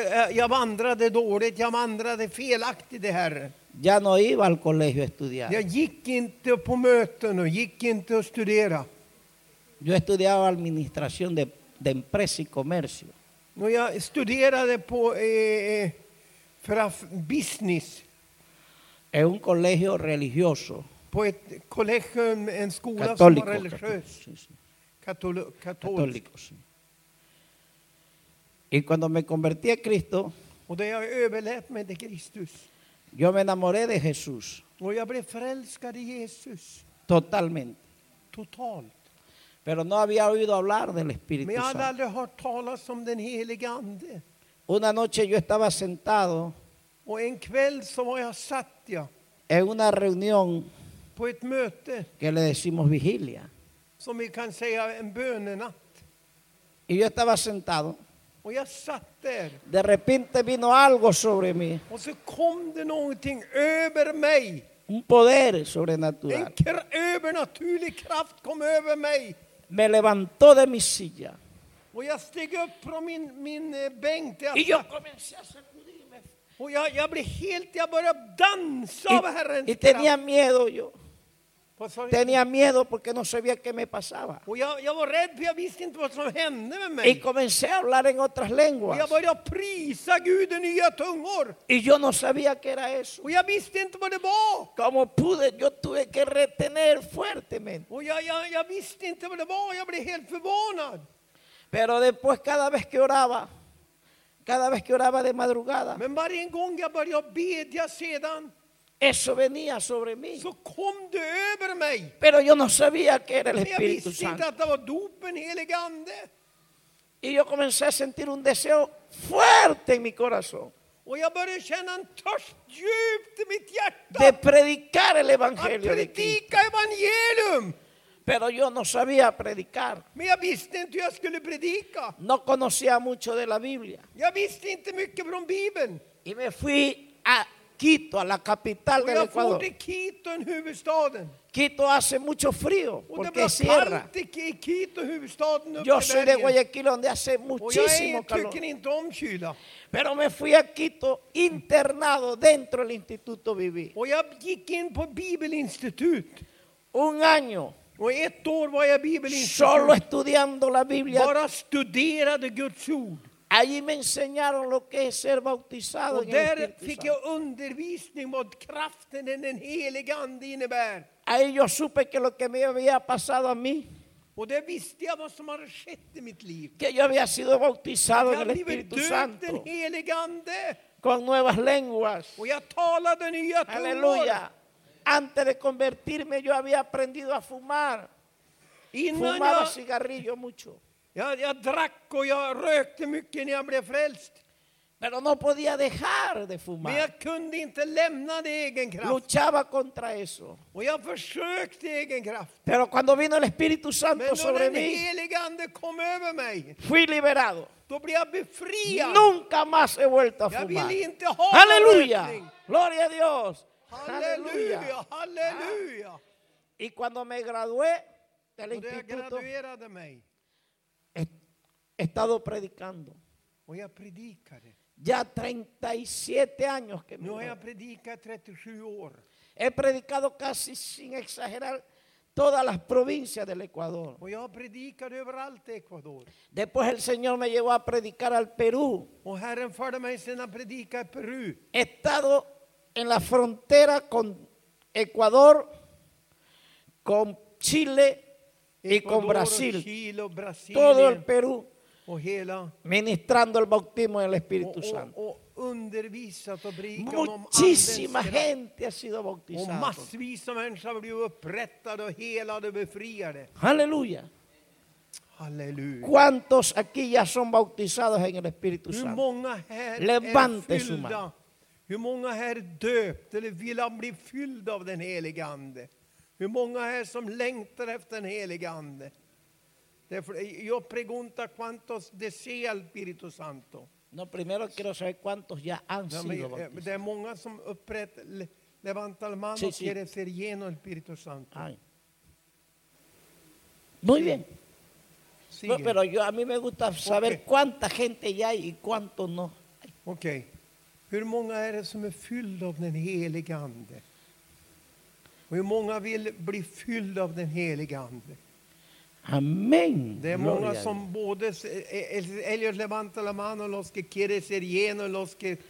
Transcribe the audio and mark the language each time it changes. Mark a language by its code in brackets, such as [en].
[sv] Jag vandrade dåligt, jag vandrade felaktigt, Herre. [es] Ya no iba al colegio a estudiar. [sv] Jag gick inte på möten och gick inte att studera. [es] Yo estudiaba administración de empresa y comercio. [sv] No, jag studerade på för business. [es] En un colegio religioso. [sv] På ett colegio, en skola católico, som var religiös. Católico, [es] sí. Y cuando me convertí a Cristo, [sv] och då jag överlät mig till Kristus, [es] yo me enamoré de Jesús. [sv] Och jag blev förälskad i Jesus. [es] Totalmente. [sv] Total. [es] Pero no había oído hablar del Espíritu Santo. [sv] Men jag hade aldrig hört talas om den helige ande. [es] Una noche yo estaba sentado. [sv] Och en kväll så var jag satt jag [es] en una reunión [sv] på ett möte [es] que le decimos vigilia, [sv] som vi kan säga en bönenatt. [es] Y yo estaba sentado. [sv] Och jag satt där. [es] De repente vino algo sobre mí. [sv] Och så kom det någonting över mig. [es] Un poder sobrenatural. [sv] En övernaturlig kraft kom över mig. [es] Me levantó de mi silla. [sv] Och jag steg upp från min bänk. [es] Y yo comencé a sacudirme. [sv] Och jag blev helt, jag började dansa av Herrens kraft. [es] Y tenía miedo yo. Tenía miedo porque no sabía qué me pasaba. [sv] Jag var rädd för jag visste inte vad som hände med mig. [es] Y comencé a hablar en otras lenguas. [sv] Jag började prisa Gud i nya tungor. [es] Y yo no sabía qué era eso. [sv] Jag visste inte vad det var. [es] Como pude, yo tuve que retener fuertemente. [sv] Jag visste inte vad det var. Jag blev helt förvånad. [es] Pero después cada vez que oraba, cada vez que oraba de madrugada. [sv] Men varje gång jag började bedja sedan. [es] Eso venía sobre mí. [sv] Så kom det över mig. [es] Pero yo no sabía que era el Espíritu Santo. [sv] Jag visste inte att det var dopen helige ande. [es] Y yo comencé a sentir un deseo fuerte en mi corazón. [sv] Och jag började känna en törst djupt i mitt hjärta. [es] De predicar el evangelio. [sv] Att predika evangelium. [es] Pero yo no sabía predicar. [sv] Men jag visste inte hur jag skulle predika. [es] No conocía mucho de la Biblia. [sv] Jag visste inte mycket från Bibeln. [es] Y me fui a Quito, a la capital del Ecuador. [sv] Och jag får till Quito, en huvudstaden. [es] Quito hace mucho frío, porque es sierra. [sv] Quito, huvudstaden, [es] yo soy de Guayaquil, donde hace muchísimo calor. [sv] Och jag tycker inte om kyla. [es] Pero me fui a Quito internado dentro del Instituto Viví. [sv] Och jag gick in på Bibelinstitut. [es] Un año. [sv] Och ett år var jag Bibelinstitut. [es] Solo estudiando la Biblia. [sv] Bara studerade Guds ord. [es] Allí me enseñaron lo que es ser bautizado. [sv] Och där fick jag undervisning vad kraften i den helige ande innebär. [es] Ahí yo supe que lo que me había pasado a mí. [sv] Och där visste jag vad som hade skett i mitt liv. [es] Que yo había sido bautizado en el Espíritu Santo. [sv] Den helige ande. [es] Con nuevas lenguas. [sv] Och jag talade nya tungor. [es] Aleluya. Antes de convertirme yo había aprendido a fumar. Fumaba cigarrillo mucho. [sv] Jag drack och jag rökte mycket när jag blev frälst. [es] Pero no podía dejar de fumar. [sv] Men jag kunde inte lämna det egen kraft. [es] Luchaba contra eso. [sv] Och jag försökte egen kraft. [es] Pero cuando vino el Espíritu Santo sobre mí. [sv] Men då den helige ande kom över mig. [es] Fui liberado. [sv] Då blev jag befriad. [es] Nunca más he vuelto a fumar. [sv] Jag vill inte ha. [es] Aleluya. Gloria a Dios. Aleluya. Aleluya. Y cuando me gradué del [sv] instituto. Jag graduerade mig. [es] He estado predicando. Voy a predicar. Ya 37 años que no me voy a predicar 37 años. He predicado casi sin exagerar todas las provincias del Ecuador. Voy a predicar [sv] överallt i [es] Ecuador. Después el Señor me llevó a predicar al Perú. [sv] Och Herren förde mig sen att predika i Peru. [es] He estado en la frontera con Ecuador, con Chile Ecuador, y con Brasil. Chile, Brasil. Todo el Perú. [sv] Och hela, [es] ministrando el bautismo del Espíritu Santo. [sv] Och undervisat och predikat om [es] muchísima gente ha sido bautizada. [sv] Och massvis av människor har blivit upprättade och helade och befriade. Halleluja. Halleluja. [es] ¿Cuántos aquí ya son bautizados en el Espíritu Santo? [sv] Hur många här [es] levante [sv] är fyllda? [es] Suma. [sv] Hur många här döpt eller vill han bli fylld av den helige ande? Hur många här som längtar efter den helige ande? [es] Yo pregunto cuántos desea el Espíritu Santo. No, primero quiero saber cuántos ya han sido bautizados. Hay muchos que levantan la mano y quieren ser llenos del Espíritu Santo. Ay. Muy bien. No, pero yo, a mí me gusta saber cuánta gente ya hay y cuántos no. Ok. [sv] ¿Hur många är det som är fylld av den helige ande? Och hur många vill bli fylld av den helige ande? Amén. Det är många som både ellos levantan la mano los que quiere ser lleno los que